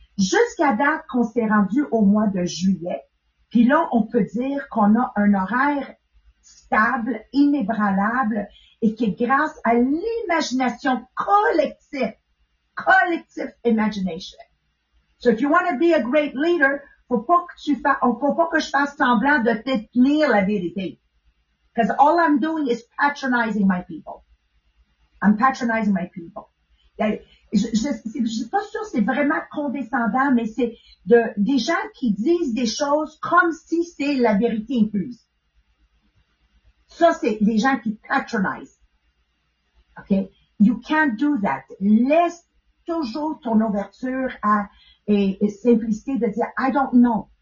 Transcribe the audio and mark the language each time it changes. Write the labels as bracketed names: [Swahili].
[French] Jusqu'à date qu'on s'est rendu au mois de juillet, puis là, on peut dire qu'on a un horaire stable, inébranlable, et que grâce à l'imagination collective imagination. [English] So if you want to be a great leader, [French] faut pas que je fasse semblant de détenir la vérité. [English] Because all I'm doing is patronizing my people. I'm patronizing my people. [French] Je suis pas sûre c'est vraiment condescendant, mais c'est des gens qui disent des choses comme si c'est la vérité incluse. Ça, c'est des gens qui patronisent. OK? [English] You can't do that. [French] Laisse toujours ton ouverture à et simplicité de dire, [English] I don't know.